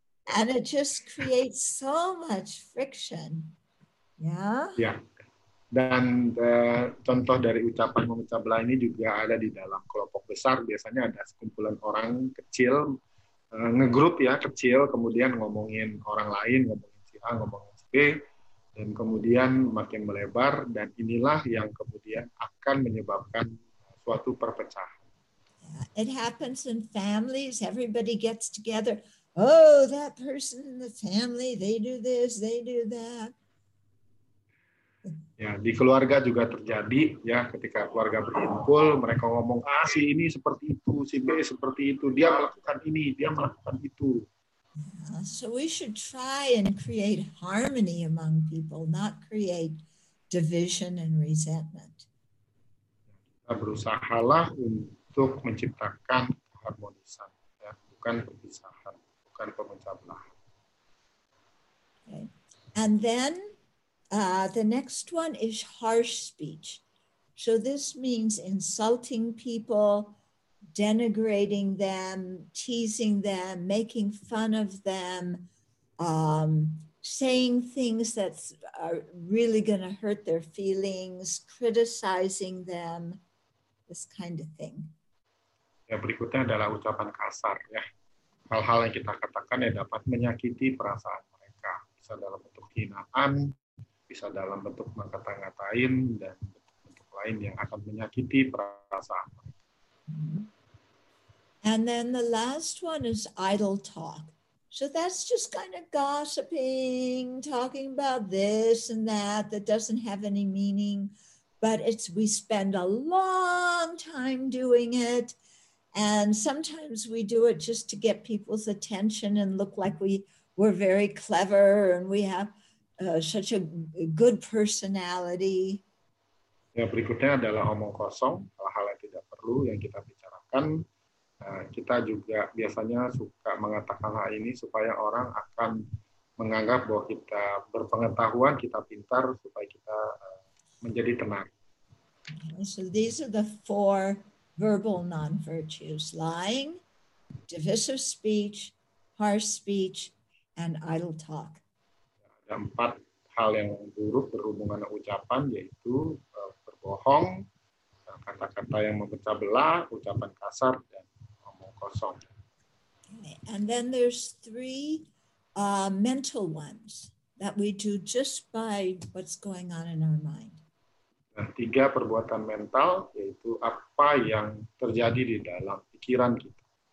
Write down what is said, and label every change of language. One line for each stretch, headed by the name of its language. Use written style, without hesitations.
English: And it just creates so much friction. Yeah. Yeah.
Indonesian: Dan contoh dari ucapan memecah belah ini juga ada di dalam kelompok besar. Biasanya ada sekumpulan orang kecil, ngegrup ya, kecil, kemudian ngomongin orang lain, ngomongin si A, ngomongin si B, dan kemudian makin melebar, dan inilah yang kemudian akan menyebabkan suatu perpecahan.
English: Yeah. It happens in families. Everybody gets together. Oh, that person in the family, they do this, they do that.
Indonesian: Ya, di keluarga juga terjadi ya, ketika keluarga berkumpul, mereka ngomong, ah, si ini seperti itu, si B seperti itu, dia melakukan ini, dia melakukan itu.
English: So we should try and create harmony among people, not create division and resentment.
Indonesian: Kita berusahalah untuk menciptakan keharmonisan, ya, bukan kepisahan, bukan pemecah belah.
English: Okay. And then the next one is harsh speech. So this means insulting people, denigrating them, teasing them, making fun of them, saying things that are really going to hurt their feelings, criticizing them, this kind of thing.
Indonesian: Ya, berikutnya adalah ucapan kasar, ya. Hal-hal yang kita katakan yang dapat menyakiti perasaan mereka. Bisa dalam bentuk hinaan, bisa dalam bentuk mengata-ngatain, dan bentuk lain yang akan menyakiti perasaan mereka.
English: And then the last one is idle talk. So that's just kind of gossiping, talking about this and that, that doesn't have any meaning. But it's, we spend a long time doing it. And sometimes we do it just to get people's attention and look like we were very clever and we have such a good personality.
Indonesian: Ya, berikutnya adalah omong kosong, hal-hal yang tidak perlu yang kita bicarakan. Kita juga biasanya suka mengatakan hal ini supaya orang akan menganggap bahwa kita berpengetahuan, kita pintar, supaya kita menjadi tenang.
English: So these are the four verbal non-virtues: lying, divisive speech, harsh speech, and idle talk.
Indonesian: Ada empat hal yang buruk berhubungan dengan ucapan, yaitu berbohong, kata-kata yang memecah belah, ucapan kasar, dan omong kosong.
English: Okay. And then there's three mental ones that we do just by what's going on in our mind.
Indonesian: Nah, tiga perbuatan mental, yaitu apa yang terjadi di dalam pikiran kita.